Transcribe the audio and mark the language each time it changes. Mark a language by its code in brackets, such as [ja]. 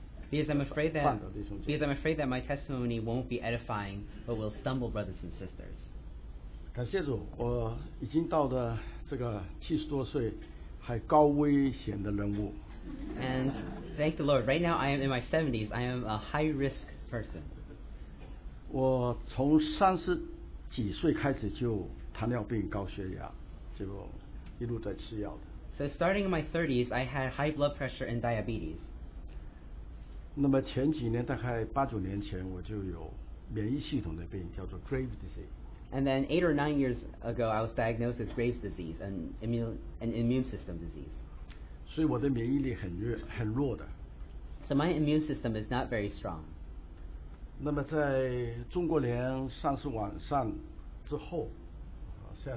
[en] Because I'm afraid that my testimony won't be edifying, but will stumble brothers and sisters. [zh] 感谢主，我已经到了这个70多岁，还高危险的人物。 [en] And thank the Lord, right now I am in my 70s, I am a high-risk person. [zh] 我从30几岁开始就糖尿病、高血压，结果一路在吃药的。So [en] starting in my 30s, I had high blood pressure and diabetes. [zh] 那么前几年，大概8、9年前，我就有免疫系统的病，叫做 Graves' disease. [en] And then 8 or 9 years ago, I was diagnosed with Graves' disease, an immune system disease. [zh] 所以我的免疫力很弱的。So [en] my immune system is not very strong. [zh] 那么在中国年上市晚上之后，啊，